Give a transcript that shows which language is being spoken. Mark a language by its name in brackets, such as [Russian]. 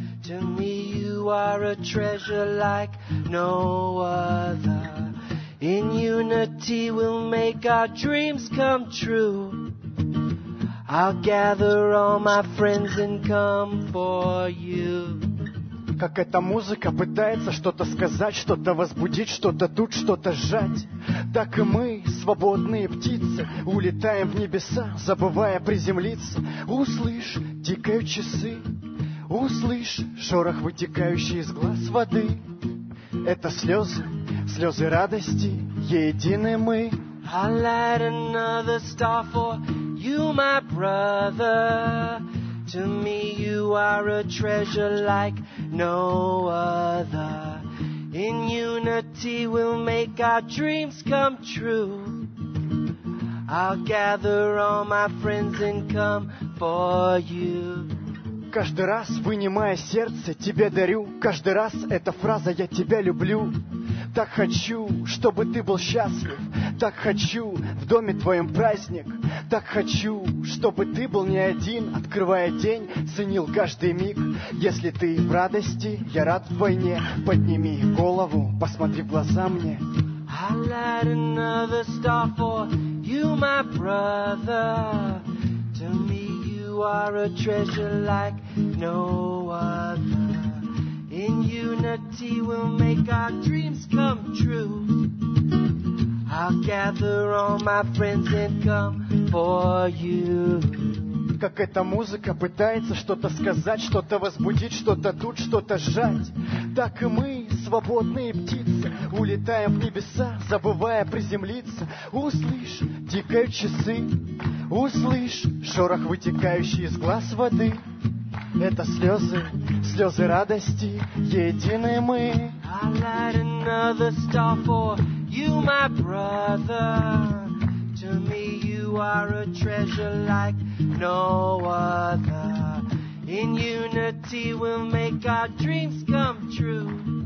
[English] To me, you are a treasure like no other. In unity, we'll make our dreams come true. I'll gather all my friends and come for you. [Russian] Как эта музыка пытается что-то сказать, что-то возбудить, что-то тут, что-то сжать. Так и мы, свободные птицы, улетаем в небеса, забывая приземлиться. Услышь, тикают часы, услышь, шорох, вытекающий из глаз воды. Это слезы, слезы радости, едины мы. [English] I'll light another star for you, my brother. To me you are a treasure like no other. In unity we'll make our dreams come true. I'll gather all my friends and come for you. [Russian] Каждый раз, вынимая сердце, тебе дарю. Каждый раз эта фраза «Я тебя люблю». Так хочу, чтобы ты был счастлив. Так хочу, в доме твоем праздник. Так хочу, чтобы ты был не один. Открывая день, ценил каждый миг. Если ты в радости, я рад в войне. Подними голову, посмотри в глаза мне. [English] I'll light another star for you, my brother. To me you are a treasure like no other. In unity we'll make our dreams come true. I'll gather all my friends and come for you. [Russian] как эта музыка пытается что-то сказать, что-то возбудить, что-то тут, что-то сжать. Так и мы, свободные птицы, улетаем в небеса, забывая приземлиться. Услышь, тикают часы, услышь, шорох, вытекающий из глаз воды. Это слезы, слезы радости, едины мы. [English] I'll light another star for you, my brother. To me you are a treasure like no other. In unity we'll make our dreams come true.